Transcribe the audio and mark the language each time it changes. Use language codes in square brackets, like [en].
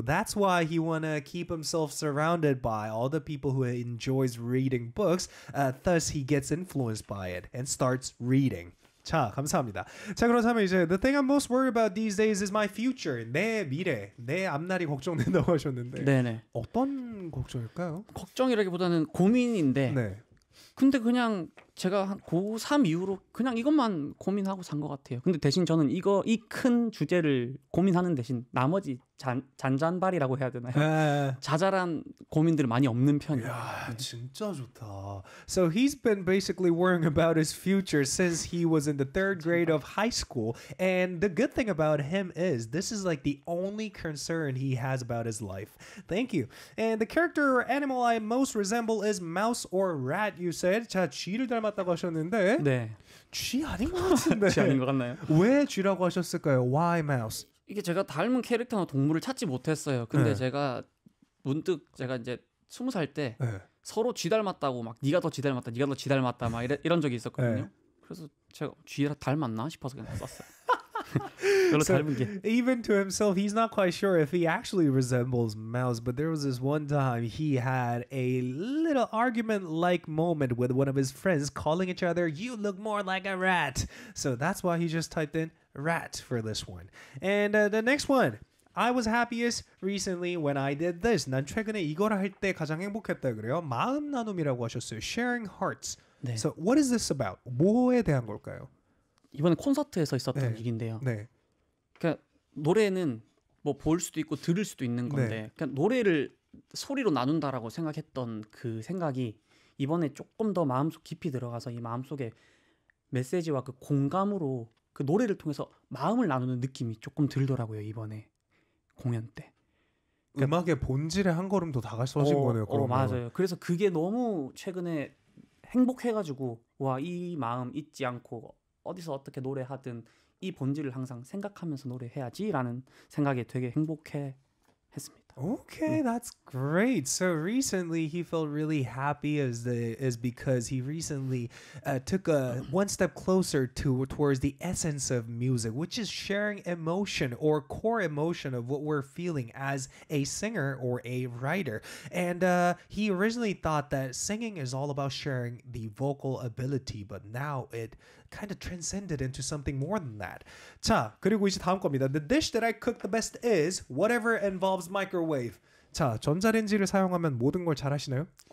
[en] That's why he wanna keep himself surrounded by all the people who enjoys reading books. Thus he gets influenced by it and starts reading. [ko] 자, 감사합니다. 자, 그렇다면 이제 [en] The thing I'm most worried about these days is my future. [ko] 내 미래, 내 앞날이 걱정된다고 하셨는데 네네. 어떤 걱정일까요? 걱정이라기보다는 고민인데 네. 근데 그냥 제가 한 고3 이후로 그냥 이것만 고민하고 산 것 같아요. 근데 대신 저는 이거 이 큰 주제를 고민하는 대신 나머지 잔잔발이라고 해야 되나요? 네. 자잘한 고민들이 많이 없는 편이에요. 야, 진짜 좋다. [en] So he's been basically worrying about his future since he was in the third grade of high school. And the good thing about him is this is like the only concern he has about his life. Thank you. And the character or animal I most resemble is mouse or rat, you said. [ko] 자, 쥐를 닮았다고 하셨는데 네. 쥐 아닌 것 같은데 쥐 아닌 것 같나요? 왜 쥐라고 하셨을까요? [en] Why mouse? [ko] 이게 제가 닮은 캐릭터나 동물을 찾지 못했어요. 근데 네. 제가 문득 제가 이제 스무 살 때 네. 서로 쥐 닮았다고 막 네가 더 쥐 닮았다, 네가 더 쥐 닮았다 막 이런 적이 있었거든요. 네. 그래서 제가 쥐라 닮았나 싶어서 그냥 썼어요. [en] So, even to himself, he's not quite sure if he actually resembles mouse, but there was this one time he had a little argument-like moment with one of his friends calling each other, you look more like a rat. So that's why he just typed in rat for this one. And the next one, I was happiest recently when I did this. [ko] 난 최근에 이걸 할 때 가장 행복했다 그래요. 마음 나눔이라고 하셨어요. [en] Sharing hearts. [ko] 네. [en] So what is this about? [ko] 뭐에 대한 걸까요? 이번에 콘서트에서 있었던 네. 일인데요. 네. 그러니까 노래는 뭐 볼 수도 있고 들을 수도 있는 건데 네. 그러니까 노래를 소리로 나눈다라고 생각했던 그 생각이 이번에 조금 더 마음속 깊이 들어가서 이 마음속에 메시지와 그 공감으로 그 노래를 통해서 마음을 나누는 느낌이 조금 들더라고요. 이번에 공연 때. 그러니까 음악의 본질에 한 걸음 더 다가서진 거네요. 맞아요. 그래서 그게 너무 최근에 행복해가지고 와, 이 마음 잊지 않고 어디서 어떻게 노래하든 이 본질을 항상 생각하면서 노래해야지라는 생각에 되게 행복해 했습니다. [en] Okay, 네. That's great. So recently he felt really happy is because he recently took a one step closer towards the essence of music, which is sharing emotion or core emotion of what we're feeling as a singer or a writer. And he originally thought that singing is all about sharing the vocal ability, but now it kind of transcended into something more than that. [ko] 자, 그리고 이제 다음 겁니다. [en] The dish that I cook the best is whatever involves microwave. [ko] 자, 전자레인지를 사용하면 모든 걸 잘하시나요?